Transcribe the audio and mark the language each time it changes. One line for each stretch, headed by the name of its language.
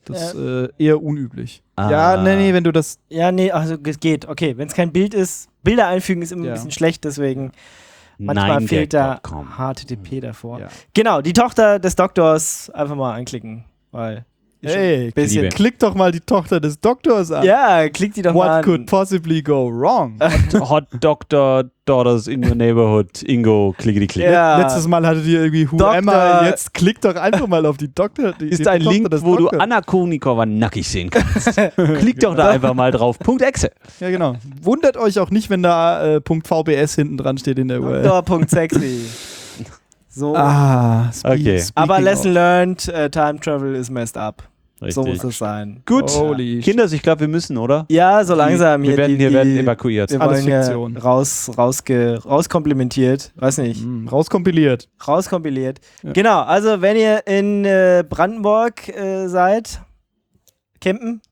German: Das ist eher unüblich. Ah. Ja, nee, wenn du das... Ja, nee, also es geht. Okay, wenn es kein Bild ist, Bilder einfügen ist immer ein bisschen schlecht, deswegen manchmal fehlt da HTTP davor. Ja. Genau, die Tochter des Doktors einfach mal anklicken, weil... Hey, klick doch mal die Tochter des Doktors an. Ja, klick die doch
English: What
German: mal an.
English: What could possibly go wrong? Hot Doctor Daughters in your neighborhood.
German: Ingo, klickety-klick. Ja. Letztes Mal hattet ihr irgendwie
English: Who
German: Doktor.
English: Am I?
German: Jetzt klick doch einfach mal auf die Doktor. Die, ist ein Link, wo du Anna Kournikova nackig sehen kannst. Klick doch da einfach mal drauf. Punkt .exe. Ja, genau. Wundert euch auch nicht, wenn da Punkt .vbs hinten dran steht in der URL. Doch, Punkt .sexy. So. Ah, okay.
English: Aber lesson learned, time travel is messed up.
German: Richtig. So muss es sein. Gut, Kinders, ich glaube, wir müssen, oder? Ja, so langsam. Wir werden evakuiert. Wir wollen rauskomplimentiert. Weiß nicht. Rauskompiliert. Rauskompiliert. Ja. Genau, also wenn ihr in Brandenburg seid, campen.